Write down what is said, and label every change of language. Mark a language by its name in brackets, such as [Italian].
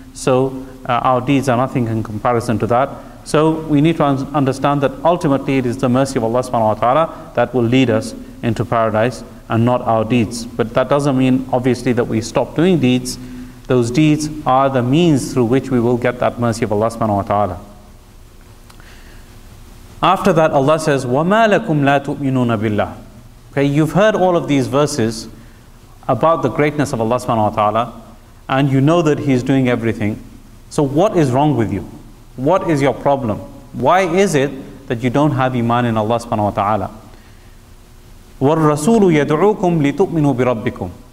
[English] So our deeds are nothing in comparison to that. So we need to understand that ultimately it is the mercy of Allah subhanahu wa ta'ala that will lead us into paradise and not our deeds. But that doesn't mean obviously that we stop doing deeds. Those deeds are the means through which we will get that mercy of Allah subhanahu wa ta'ala. After that Allah says, [Arabic] وَمَا لَكُمْ لَا تُؤْمِنُونَ بِاللَّهِ. [English] Okay, you've heard all of these verses about the greatness of Allah subhanahu wa ta'ala and you know that He's doing everything. So what is wrong with you? What is your problem? Why is it that you don't have iman in Allah subhanahu wa ta'ala? [Arabic] وَالرَّسُولُ يَدْعُوكُمْ لِتُؤْمِنُوا بِرَبِّكُمْ.